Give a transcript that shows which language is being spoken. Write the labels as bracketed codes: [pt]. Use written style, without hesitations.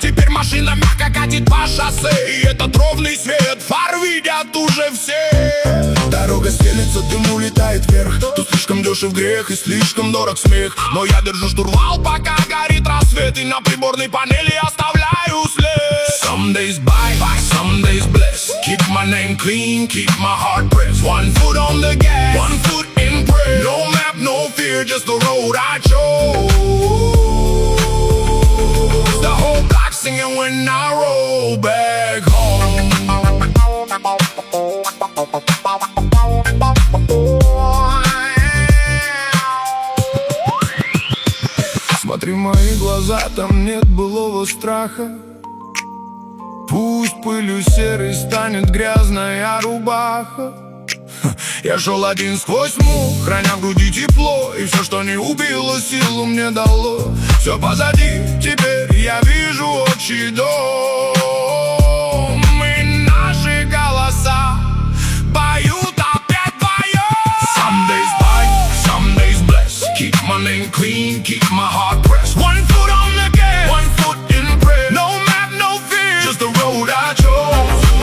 [ru] Теперь машина мягко катит по шоссе, и этот ровный свет фар видят уже все. Дорога стелется, дым улетает вверх. Тут слишком дешев грех и слишком дорог смех. Но я держу штурвал, пока горит рассвет, и на приборной панели оставляю след. [en] Some days bite, some days bless. Keep my name clean, keep my heart pressed. One foot on the gas, one foot in prayer. No map, no fear, just the road I chose. The whole block singing when I roll back home. [ru] Смотри в мои глаза, там нет былого страха. Пусть пылью серой станет грязная рубаха. Я шел один сквозь мух, храня в груди тепло. И все, что не убило, силу мне дало. Все позади, теперь я вижу отчий дом. И наши голоса поют опять твое. [en] Some days bite, some days bless. Keep my name clean, keep my heart pressed. One foot on the gas, one foot in prayer. No map, no fear, just the road I chose.